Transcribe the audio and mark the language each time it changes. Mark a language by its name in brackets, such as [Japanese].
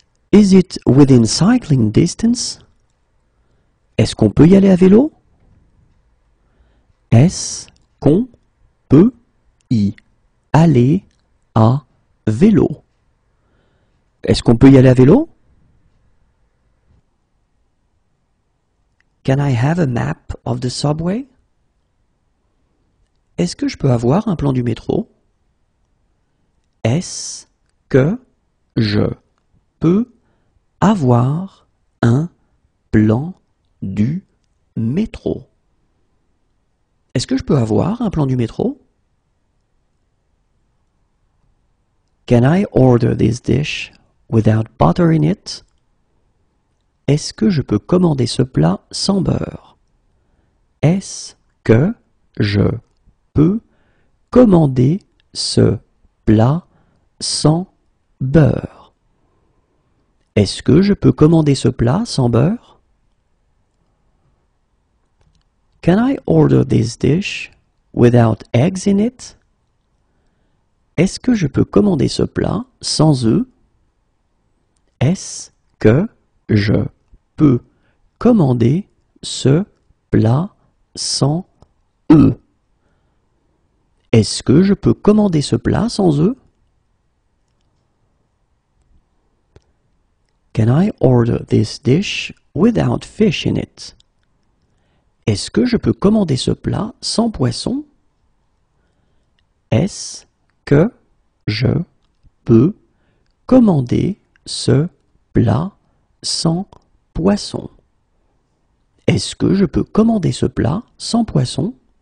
[English] Is it within cycling distance? [French] Est-ce qu'on peut y aller à vélo? Est-ce qu'on peut y aller à vélo? Est-ce qu'on peut y aller à vélo? [English] Can I have a map of the subway? [French] Est-ce que je peux avoir un plan du métro? Est-ce que je peux avoir un plan du métro? Est-ce que je peux avoir un plan du métro? [English] Can I order this dish without butter in it? [French] Est-ce que je peux commander ce plat sans beurre? Est-ce que je peux commander ce plat sans beurre? Est-ce que je peux commander ce plat sans beurre? [English] Can I order this dish without eggs in it? [French] Est-ce que je peux commander ce plat sans œufs? Est-ce que je peux commander ce plat sans œufs? Est-ce que je peux commander ce plat sans œufs? [English] Can I order this dish without fish in it? [French] Est-ce que je peux commander ce plat sans poisson? Est-ce que je peux commander ce plat sans poisson? Est-ce que je peux commander ce plat sans poisson?